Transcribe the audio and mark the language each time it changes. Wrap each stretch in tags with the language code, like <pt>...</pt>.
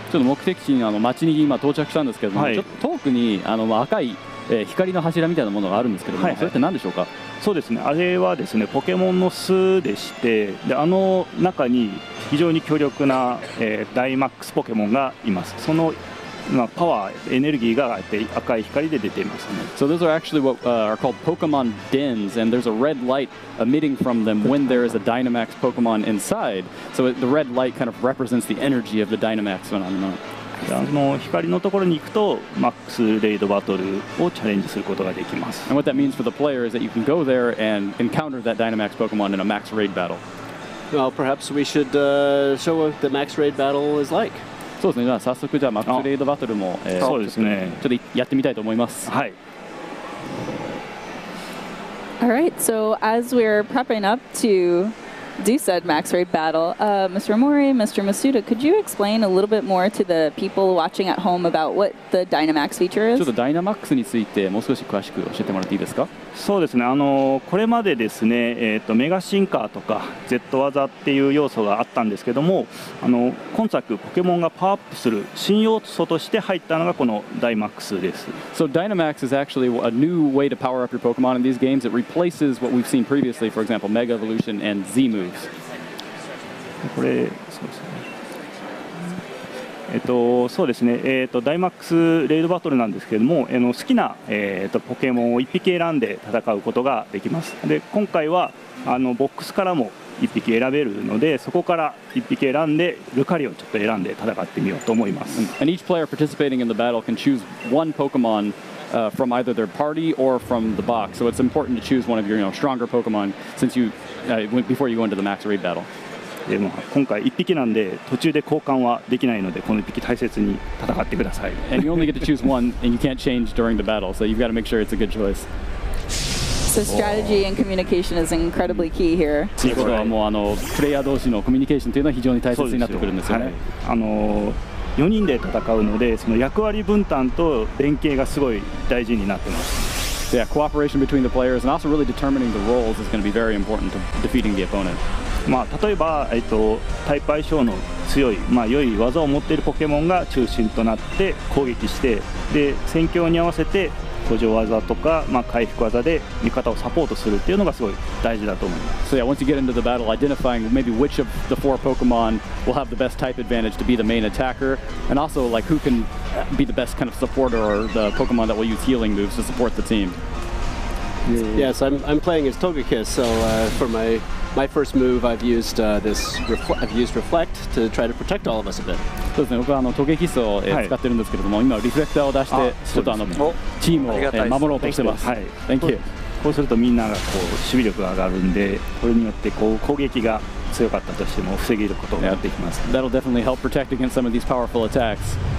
<ja>ちょっと目的地に街に今到着したんですけども、はい、ちょっと遠くに赤い、光の柱みたいなものがあるんですけども、はいはい、それって何でしょうか？そうですね。あれはですね、ポケモンの巣でして、で中に非常に強力な、ダイマックスポケモンがいます。そのパワー、エネルギーが赤い光で出ていますね。</ja> <en>So those are actually what、are called Pokemon dens, and there's a red light emitting from them when there is a Dynamax Pokemon inside. So the red light kind of represents the energy of the Dynamax phenomenon.</en> <ja>光のところに行くと、MAX Raid Battle をチャレンジすることができます。</ja> <en>And what that means for the player is that you can go there and encounter that Dynamax Pokemon in a MAX Raid Battle. Well, perhaps we should、show what the MAX Raid Battle is like.</en> <ja>そうですね、じゃあ早速じゃあマックスレイドバトルも、そうですね、ちょっとやってみたいと思います。はい。</ja> <en>All right, so as we're prepping up to do said Max Raid battle,、Mr. Mori, Mr. Masuda, could you explain a little bit more to the people watching at home about what the Dynamax feature is?</en> <ja>ちょっとダイナマックスについてもう少し詳しく教えてもらっていいですか？そうですね、これまでですね、メガシンカーとか Z 技っていう要素があったんですけども、今作ポケモンがパワーアップする新要素として入ったのがこのダイマックスです。</ja> <en>So Dynamax is actually a new way to power up your Pokemon in these games. It replaces what we've seen previously, for example, Mega Evolution and Z moves.</en> <ja>これ、そうですね。そうですね、ダイマックスレイドバトルなんですけれども、好きな、ポケモンを1匹選んで戦うことができます。で今回はボックスからも1匹選べるので、そこから1匹選んでルカリをちょっと選んで戦ってみようと思います。</ja> <en>And each player participating in the battle can choose one Pokemon、from either their party or from the box. So it's important to choose one of your, you know, stronger Pokemon since you,、before you go into the max raid battle. でも今回1匹なんで途中で交換はできないので、この1匹大切に戦ってください。 And you only get to choose one and you can't change during the battle, so you've got to make sure it's a good choice. So strategy and communication is incredibly key here.</en> <ja>そういうことはもうプレイヤー同士のコミュニケーションというのは非常に大切になってくるんですよね。はい、4人で戦うので、その役割分担と連携がすごい大事になってます。</ja> <en>Yeah, cooperation between the players and also really determining the roles is going to be very important to defeating the opponent.</en> <ja>まあ例えば、タイプ相性の強い、まあ良い技を持っているポケモンが中心となって攻撃して、で戦況に合わせて補助技とか、まあ回復技で味方をサポートするっていうのがすごい大事だと思います。</ja> <en>So yeah, once you get into the battle, identifying maybe which of the four Pokemon will have the best type advantage to be the main attacker, and also like who can be the best kind of supporter or the Pokemon that will use healing moves to support the team. Yes, I'm playing as Togekiss, so、for my first move, I've used、Reflect to try to protect all of us a bit.</en> <ja>そうですね、僕はTogekissを、はい、使ってるんですけれども、今リフレクターを出して、ね、ちょっとチームを守ろうとしてます。はい、</ja> <en>Thank you.</en> <ja>こうするとみんながこう守備力が上がるんで、これによってこう攻撃が強かったとしても防げることになってきます。</ja> <en>That'll definitely help protect against some of these powerful attacks.</en>